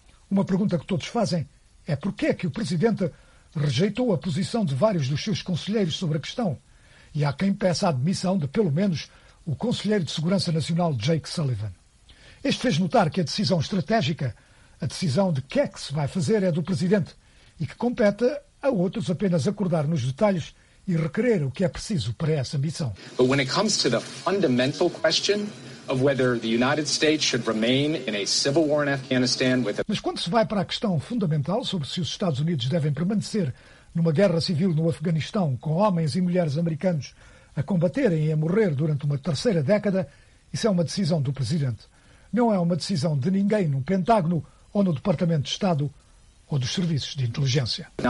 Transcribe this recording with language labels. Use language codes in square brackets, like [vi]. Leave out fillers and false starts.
[pt] Uma pergunta que todos fazem é porquê que o presidente rejeitou a posição de vários dos seus conselheiros sobre a questão, e há quem peça a admissão de, pelo menos, o conselheiro de Segurança Nacional Jake Sullivan. Este fez notar que a decisão estratégica, a decisão de que é que se vai fazer, é do presidente, e que compete a outros apenas acordar nos detalhes e requerer o que é preciso para essa missão. [en] But when it comes to the fundamental question of whether the United States should remain in a civil war in Afghanistan with [pt] Mas quando se vai para a questão fundamental sobre se os Estados Unidos devem permanecer numa guerra civil no Afeganistão com homens e mulheres americanos a combaterem e a morrer durante uma terceira década, isso é uma decisão do presidente. Não é uma decisão de ninguém no Pentágono ou no Departamento de Estado ou dos serviços de inteligência.